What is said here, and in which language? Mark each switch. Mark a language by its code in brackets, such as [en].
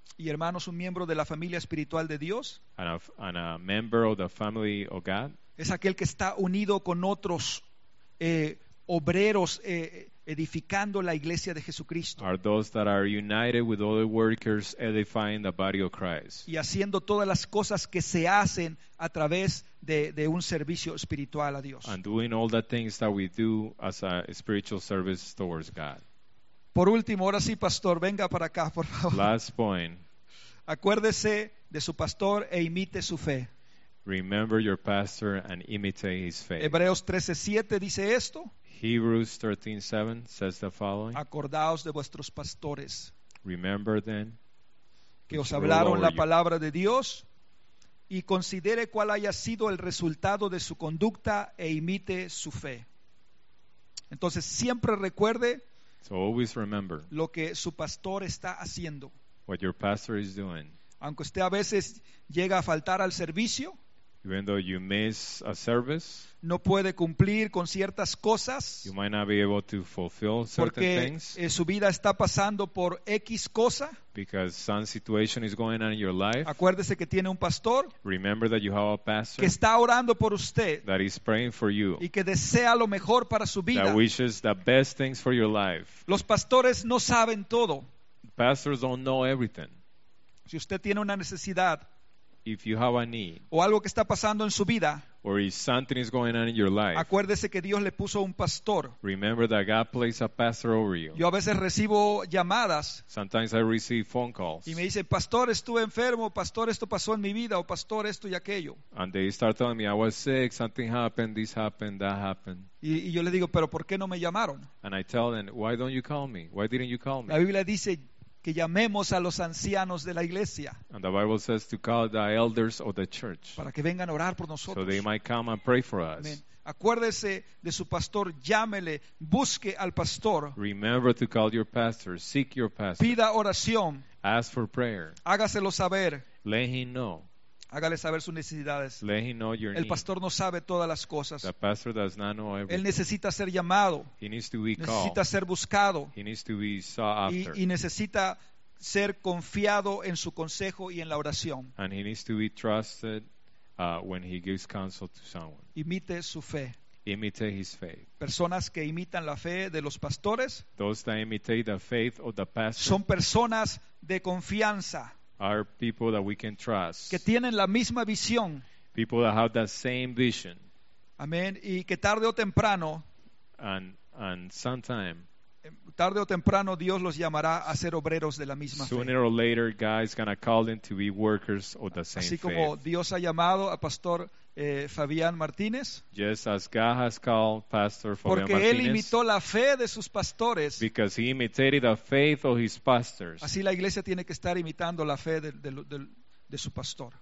[es] Y hermanos, un miembro de la familia espiritual de Dios [en] and a member of the family of God, [es] es aquel que está unido con otros obreros edificando la iglesia de Jesucristo. [en] Are those that are united with other workers edifying the body of Christ. [es] Y haciendo todas las cosas que se hacen a través de un servicio espiritual a Dios. [en] And doing all the things that we do as a spiritual service towards God. [es] Por último, ahora sí, pastor, venga para acá, por favor. [en] Last point. [es] Acuérdese de su pastor e imite su fe. [en] Remember your pastor and imitate his faith. [es] Hebreos 13:7 dice esto. [en] Hebrews 13:7 says the following. [es] Acordaos de vuestros pastores. [en] Remember then. [es] Que os hablaron la palabra de Dios. Y considere cuál haya sido el resultado de su conducta e imite su fe. Entonces, siempre recuerde. [en] So always remember [es] lo que su pastor está haciendo. [en] What your pastor is doing. [es] Aunque usted a veces llega a faltar al servicio, [en] even though you miss a service, [es] no puede cumplir con ciertas cosas, [en] you might not be able to fulfill certain [es] porque, [en] things, [es] su vida está pasando por X cosa, [en] because some situation is going on in your life. [es] Acuérdese que tiene un pastor, [en] remember that you have a pastor, [es] que está orando por usted, [en] that is praying for you, [es] y que desea lo mejor para su vida, [en] that wishes the best things for your life. [es] Los pastores no saben todo. [en] Pastors don't know everything. [es] Si usted tiene una necesidad, [en] if you have a need, [es] o algo que está pasando en su vida, [en] or if something is going on in your life, [es] acuérdese que Dios le puso un pastor. [en] Remember that God placed a pastor over you. [es] Yo a veces recibo llamadas. [en] Sometimes I receive phone calls. [es] Y me dicen, pastor, estuve enfermo, pastor, esto pasó en mi vida, o pastor, esto y aquello. [en] And they start telling me, I was sick, something happened, this happened, that happened. [es] Y yo le digo, pero ¿por qué no me llamaron? [en] And I tell them, why don't you call me? Why didn't you call me? [es] La Biblia dice que llamemos a los ancianos de la iglesia. [en] And the Bible says to call the elders of the church. [es] Para que vengan a orar por nosotros. [en] So they might come and pray for us. Amen. [es] Acuérdese de su pastor, llámele, busque al pastor. [en] Remember to call your pastor, seek your pastor. [es] Pida oración. [en] Ask for prayer. [es] Hágaselo saber. [en] Let him know. [es] Hágale saber sus necesidades. [en] Let him know your [es] El pastor [en] need. [es] No sabe todas las cosas. [en] The pastor does not know everything. [es] Él necesita ser llamado. [en] He needs to be called. [es] Necesita ser buscado. [en] He needs to be sought after. [es] Y necesita ser confiado en su consejo y en la oración. [en] And he needs to be trusted when he gives counsel to someone. [es] Imite su fe. [en] Imitate his faith. [es] Personas que imitan la fe de los pastores. [en] Those that imitate the faith of the pastor. [es] Son personas de confianza. [en] Are people that we can trust. [es] Que tienen la misma visión. [en] People that have the same vision. [es] Amén. Y que tarde o temprano. [en] And sometime. [es] Tarde o temprano Dios los llamará a ser obreros de la misma [en] Sooner [es] fe. [en] Sooner or later, God is going to call them to be workers of the same faith. [es] Así como [en] faith. [es] Dios ha llamado a Pastor Fabián Martínez. [en] Just as God has called Pastor Fabián Martínez. [es] Porque él imitó la fe de sus pastores. [en] Because he imitated the faith of his pastors. [es] Así la iglesia tiene que estar imitando la fe de su pastor.